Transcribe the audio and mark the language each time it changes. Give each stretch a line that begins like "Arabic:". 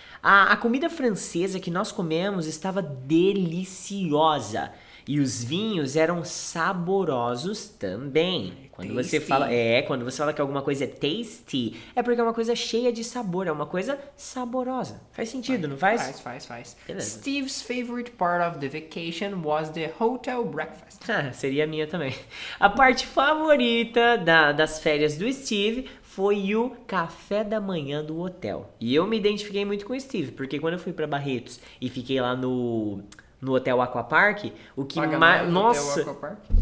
Portuguese: A comida francesa que nós comemos estava deliciosa. E os vinhos eram saborosos também. Quando
English: tasty.
Portuguese: Você fala, quando você fala que alguma coisa é tasty, é porque é uma coisa cheia de sabor, é uma coisa saborosa. Faz sentido, não faz? Faz. Beleza.
English: Steve's favorite part of the vacation was the hotel breakfast.
Portuguese: Seria a minha também. A parte favorita das férias do Steve foi o café da manhã do hotel. E eu me identifiquei muito com o Steve, porque quando eu fui pra Barretos e fiquei lá no hotel Aquapark, o que mais... Nossa! Hotel Aquapark?